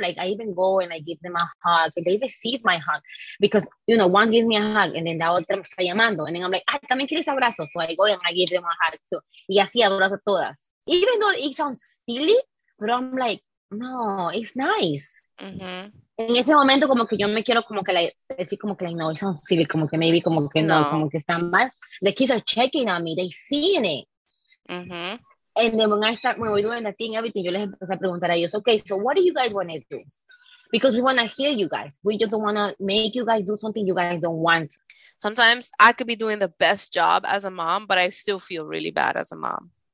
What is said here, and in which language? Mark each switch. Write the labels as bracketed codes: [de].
[en] Like I even go and I give them a hug and they receive my hug because, you know, one gives me a hug and then the [es] otra me está llamando. [en] And then I'm like, ah, [es] también quieres abrazo. [en] So I go and I give them a hug too. [es] Y así abrazo todas. [en] Even though it sounds silly, but I'm like, no, it's nice. Mm-hmm. [es] En ese momento como que yo me quiero como que like, decir como que like, [en] no, it sounds silly, [es] como que [en] maybe [es] como que no, como que está mal. [en] The kids are checking on me, they seeing it. Mm-hmm. And then when we're doing the thing, everything, [es] yo les empecé a preguntar a ellos, [en] okay, so what do you guys want to do? Because we want to hear you guys. We just don't want to make you guys do something you guys don't want. Sometimes I could be doing the best job as a mom, but I still feel really bad as a mom.